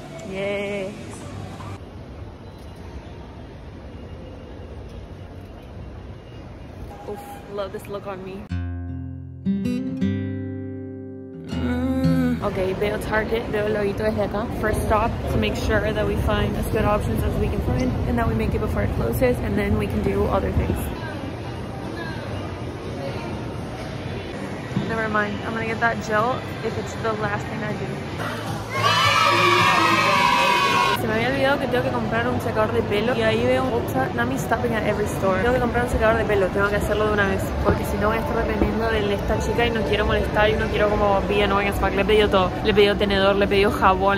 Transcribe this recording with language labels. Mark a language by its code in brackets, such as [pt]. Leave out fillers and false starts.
[en] Yeah. Love this look on me. [es] Okay, veo Target, veo el loguito desde acá. [en] First stop to make sure that we find as good options as we can find and that we make it before it closes, and then we can do other things. Never mind, I'm gonna get that gel if it's the last thing I do. [es] Se me había olvidado que tengo que comprar un secador de pelo. Y ahí veo Ulta, Nami [en] stopping at every store. [es] Tengo que comprar un secador de pelo, tengo que hacerlo de una vez, porque si no voy a estar dependiendo de esta chica y no quiero molestar y no quiero como [en] be annoying as fuck. [es] Le he pedido todo, le he pedido tenedor, le he pedido jabón.